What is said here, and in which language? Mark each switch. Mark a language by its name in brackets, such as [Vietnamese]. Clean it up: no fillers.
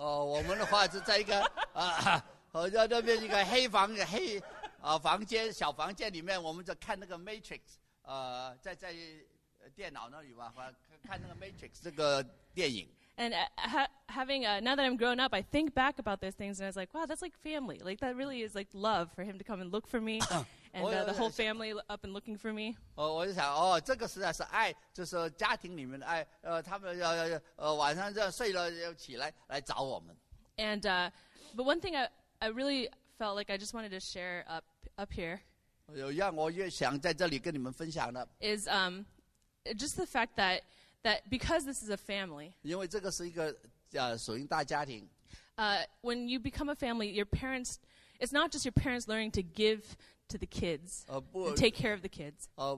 [Chinese] 我们的话是在一个在那边一个黑房黑房间小房间里面，我们就看那个 Matrix， 在电脑那里吧，看那个 Matrix 这个电影。 [English] And having now that I'm grown up, I think back about those things, and I was like, wow, that's like family. Like, that really is like love for him to come and look for me, and the whole family up and looking for me. [Chinese] Oh, 我就想，哦，这个实在是爱，就是家庭里面的爱。他们晚上这样睡了，要起来来找我们。 [English] And but one thing I really felt like I just wanted to share up here. [Chinese] 有让我越想在这里跟你们分享的 [English] is just the fact that because this is a family. [Chinese] 因为这个是一个 属于大家庭。 [English] When you become a family, your parents, it's not just your parents learning to give to the kids, to take care of the kids.